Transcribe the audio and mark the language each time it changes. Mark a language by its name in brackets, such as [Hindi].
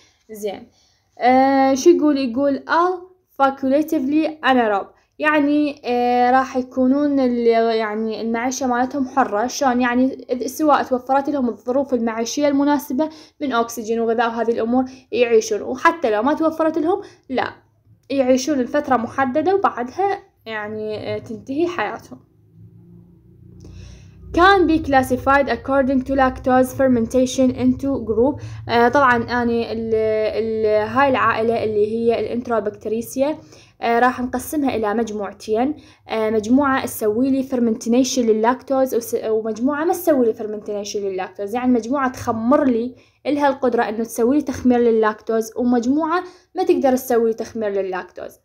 [Arabic] زين شو يقول؟ يقول [English] all facultatively anaerobic، [Arabic] يعني راح يكونون يعني المعيشة مالتهم حرة. شلون يعني؟ سواء توفرت لهم الظروف المعيشية المناسبة من أكسجين وغذاء وهذه الأمور يعيشون، وحتى لو ما توفرت لهم لا يعيشون لفترة محددة وبعدها يعني تنتهي حياتهم. [English] Can be classified according to lactose fermentation into group. [Arabic] طبعا اني هاي العائله اللي هي الانتروبكتريسيا راح نقسمها الى مجموعتين، مجموعه تسوي لي فرمنتيشن لللاكتوز ومجموعه ما تسوي لي فرمنتيشن لللاكتوز، يعني مجموعه تخمر لي لها القدره انه تسوي لي تخمير لللاكتوز ومجموعه ما تقدر تسوي لي تخمير لللاكتوز.